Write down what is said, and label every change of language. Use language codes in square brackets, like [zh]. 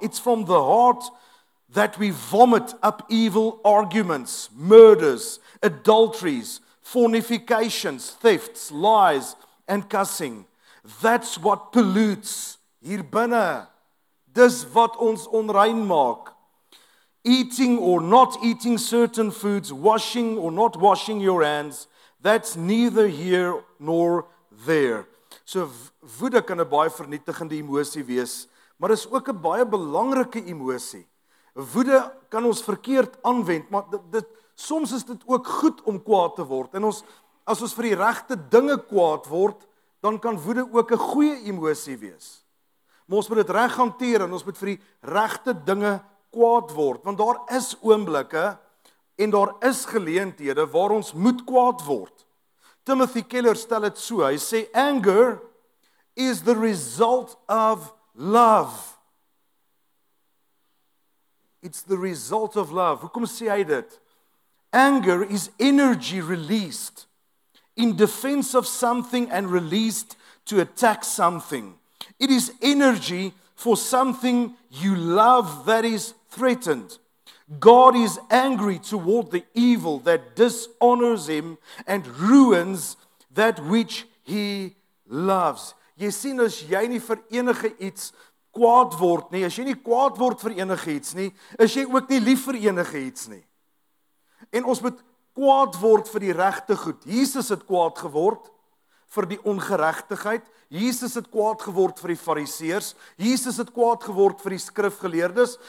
[en] It's from the heart that we vomit up evil arguments, murders, adulteries, fornications, thefts, lies, and cussing. That's what pollutes [af] hier binne. Dis wat ons onrein maak. [en] Eating or not eating certain foods, washing or not washing your hands, that's neither here nor there. [af] So woede kan 'n baie vernietigende emosie wees, maar is ook 'n baie belangrike emosie. Woede kan ons verkeerd aanwend, maar dit soms is dit ook goed om kwaad te word. En ons, as ons vir die regte dinge kwaad word, dan kan woede ook 'n goeie emosie wees. Maar ons moet dit reg hanteer en ons moet vir die regte dinge kwaad word, want daar is oomblikke en daar is geleenthede waar ons moet kwaad word. Timothy Keller stel het so, hy sê, [en] anger is the result of love. It's the result of love. [af] Hoekom sê hy dit? [en] Anger is energy released in defense of something and released to attack something. It is energy for something you love that is threatened. God is angry toward the evil that dishonors him and ruins that which he loves. [af] Jy sien, as jy nie vir enige iets kwaad word nie, as jy nie kwaad word vir enige iets nie, is jy ook nie lief vir enige iets nie. En ons moet kwaad word vir die regte goed. Jesus het kwaad geword vir die ongeregtigheid. Jesus het kwaad geword vir die fariseers. Jesus het kwaad geword vir die skrifgeleerdes.